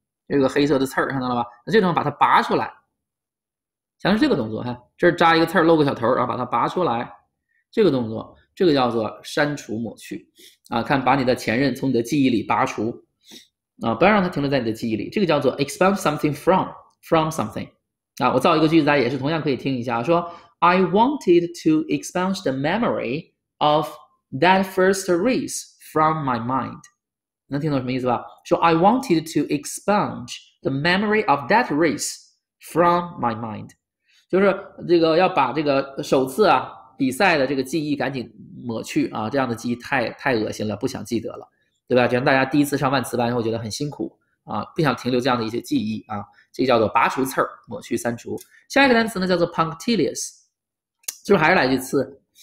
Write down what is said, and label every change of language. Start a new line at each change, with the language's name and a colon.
Chinese: 这个黑色的刺儿，看到了吧？那这种把它拔出来，像是这个动作，看，这扎一个刺儿，露个小头，然后把它拔出来，这个动作，这个叫做删除、抹去啊。看，把你的前任从你的记忆里拔除。啊，不要让它停留在你的记忆里。这个叫做 expunge something from something。啊，我造一个句子，也是同样可以听一下。
English: 说 I wanted to expunge the memory of that first race from my mind。
Chinese: 能听懂什么意思吧？
English: 说 I wanted to expunge the memory of that race from my mind。
Chinese: 就是这个要把这个首次啊比赛的这个记忆赶紧抹去啊，这样的记忆太恶心了，不想记得了。对吧？就像大家第一次上万词班，然后觉得很辛苦啊，不想停留这样的一些记忆啊，这个叫做拔除刺儿、抹去、删除。下一个单词呢，叫做 punctilious， 就是还是来句刺。